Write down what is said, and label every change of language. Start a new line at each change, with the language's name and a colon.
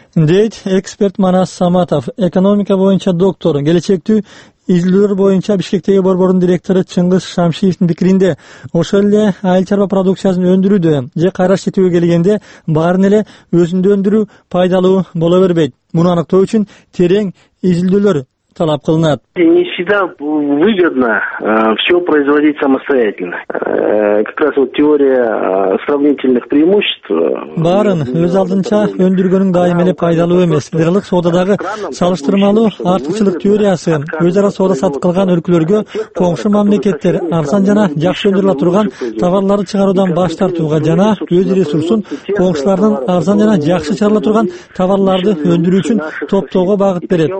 Kyrgyz: Дейт эксперт Манас Саматов, экономика боюнча доктор, келечектүү изилдөө боюнча Бишкектеги борбордун директору Чыңгыз Шамшиевдин пикиринде ошол эле айыл чарба продукциясын өндүрүүдө же кайра иштетүүгө келгенде баарын эле өзүндө өндүрүү пайдалуу боло бербейт. Муну аныктоо үчүн терең изилдөөлөр талап кылынат.
Russian: Не всегда выгодно все производить самостоятельно. Как раз вот теория сравнительных преимуществ.
Kyrgyz: Баарын өз алдынча өндүргөнүң дайым эле пайдалуу эмес. Кыргызстандагы соодадагы салыштырмалуу артыкчылык теориясы өз ара соода сатып кылган өлкөлөргө коңшу мамлекеттер арзан жана жакшы өндүрүлө турган товарларды чыгаруудан баш тартууга жана өз ресурсун коңшулардын арзан жана жакшы чыгарыла турган товарларды өндүрүү үчүн топтоого багыт берет.